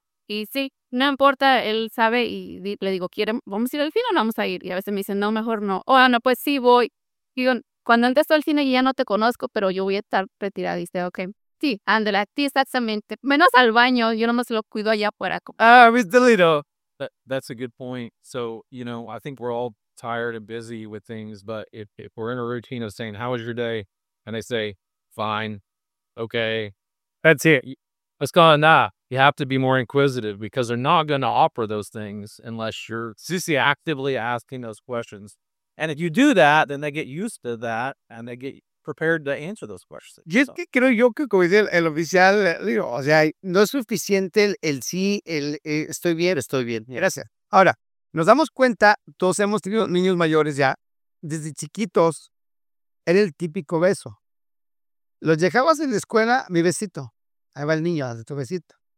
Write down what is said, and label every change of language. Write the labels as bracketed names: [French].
[Spanish] Y sí, no importa, él sabe y le digo, ¿vamos a ir al cine o no vamos a ir? Y a veces me dicen, no, mejor no. Oh, no, pues sí, voy. Y digo, cuando entres al cine, ya no te conozco, pero yo voy a estar retirada. Y dice, ok, sí, ándale, a ti exactamente. Menos al baño, yo nomás lo cuido allá afuera. [English] Miss Delito. That's a good point. So, you know, I think we're all tired and busy with things, but if we're in a routine of saying, how was your day? And they say, fine, okay. That's it. What's going on? Nah, you have to be more inquisitive because they're not going to offer those things unless you're actively asking those questions. And if you do that, then they get used to that and they get prepared to answer those questions. [Spanish] Y es que creo yo que como dice el oficial, digo, o sea, no es suficiente el sí, el estoy bien, yeah. Gracias. Ahora, nos damos cuenta, todos hemos tenido niños mayores ya, desde chiquitos, era el típico beso. Los dejabas en la escuela, mi besito. Ahí va el niño, hace tu besito.